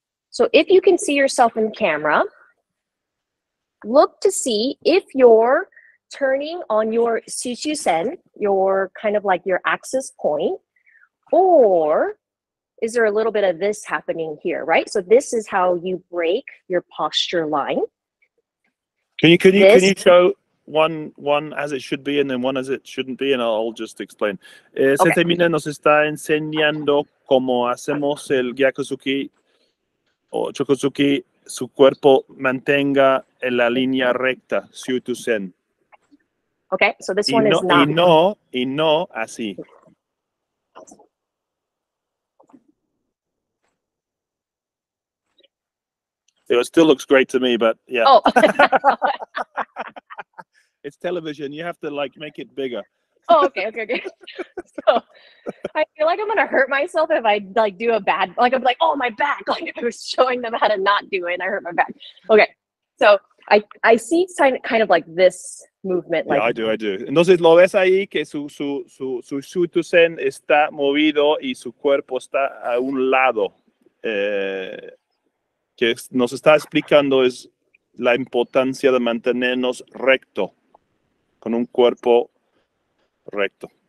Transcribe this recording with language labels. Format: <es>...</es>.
<en>So if you can see yourself in camera, look to see if you're turning on your Shishu Sen, your kind of like your axis point, or is there a little bit of this happening here, right? So this is how you break your posture line. Can you show one as it should be and then one as it shouldn't be, and I'll just explain.</en> <es>Sensei Mina nos está enseñando cómo hacemos el Gyakuzuki o Chokuzuki, su cuerpo mantenga en la línea recta, Shishu Sen.</es> <en>Okay, so this one no, is not.</en> <es>Y no, así.</es> <en>It still looks great to me, but yeah. Oh. It's television. You have to like make it bigger. Oh, okay. So I feel like I'm going to hurt myself if I like do a bad, like I'm like, oh, my back. Like I was showing them how to not do it and I hurt my back. Okay, so I see kind of like this movement. Yeah, like, I do.</en> <es>Entonces, ¿lo ves ahí que su Shishu Sen está movido y su cuerpo está a un lado? Que nos está explicando es la importancia de mantenernos recto, con un cuerpo recto.</es>